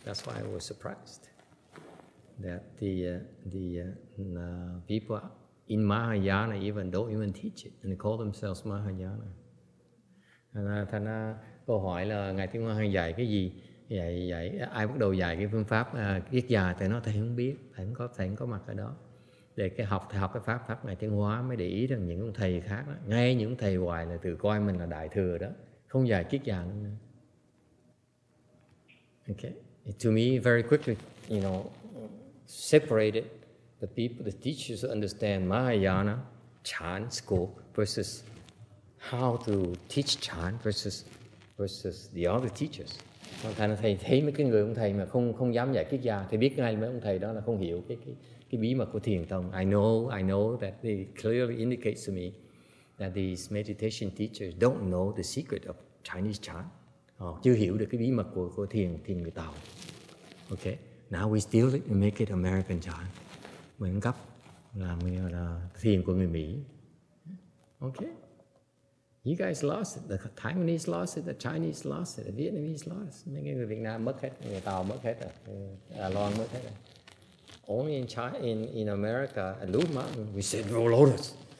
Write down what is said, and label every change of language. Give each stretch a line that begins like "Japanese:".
English: That's why I was surprised that the people in Mahayana don't even teach it and they call themselves Mahayana.
Vietnamese: Thành ra câu hỏi là ngài Thiên Quang dạy cái gì, dạy ai bắt đầu dạy cái phương pháp kiết già, thì nó thầy không biết, thầy không có mặt ở đó để cái học cái pháp ngài Thiên Hóa mới để ý rằng những ông thầy khác đó, ngay những thầy hoài là tự coi mình là đại thừa đó, không dạy kiết già nữa.
English: Okay, to me very quickly, you know, separated the people, the teachers understand Mahayana Chan school versus how to teach Chan versus the other teachers.
Vietnamese: Thầy nói thấy mấy cái người ông thầy mà không dám dạy kiết già, thì biết ngay mấy ông thầy đó là không hiểu cái bí mật của thiền tông.
English: I know that they clearly indicate to me that these meditation teachers don't know the secret of Chinese Chan.
Vietnamese: Họ chưa hiểu được cái bí mật của thiền người Tàu.
English: Okay, now we steal it and make it American Chan.
Vietnamese: Mình cấp là thiền của người Mỹ.
English: Okay. You guys lost it. The Taiwanese lost it. The Chinese lost it. The Vietnamese lost it.
Vietnamese: Mấy người Việt Nam mất hết, người Tàu mất hết rồi, Đài Loan mất hết rồi.
English: Only in China, in America, at Blue Mountain, we said no lotus.